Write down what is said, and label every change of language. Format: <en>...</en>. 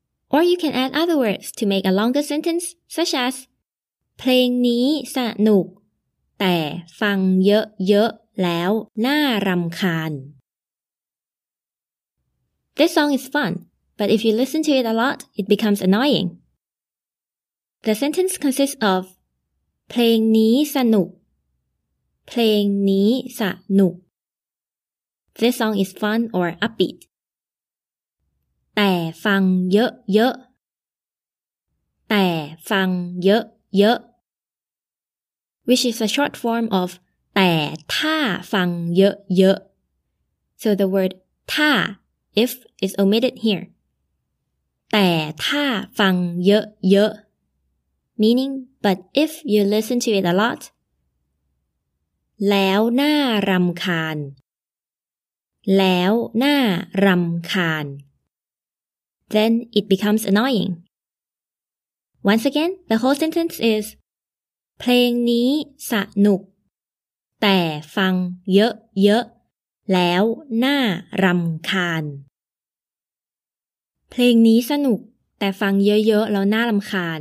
<en>Or you can add other words to make a longer sentence, such as playing ni sanuk แต่ฟังเยอะๆแล้วน่ารำคาญ This song is fun, but if you listen to it a lot, it becomes annoying. The sentence consists of</en> <th>พลงนี้สนุกเพลงนี้สนุก</th> <en>This song is fun or upbeat</en> <th>แต่ฟังเยอะเยอะแต่ฟังเยอะเยอะ</th> <en>Which is a short form of แต่ถ้าฟังเยอะเยอะ So the word ถ้า if is omitted here</en> <th>แต่ถ้าฟังเยอะเยอะ</th> <en>meaning but if you listen to it a lot</en> <th>แล้วน่ารำคาญแล้วน่ารำคาญ</th> <en>then it becomes annoying once again the whole sentence is</en> <th>เพลงนี้สนุกแต่ฟังเยอะเยอะแล้วน่ารำคาญ เพลงนี้สนุกแต่ฟังเยอะๆแล้วน่ารำคาญ</th>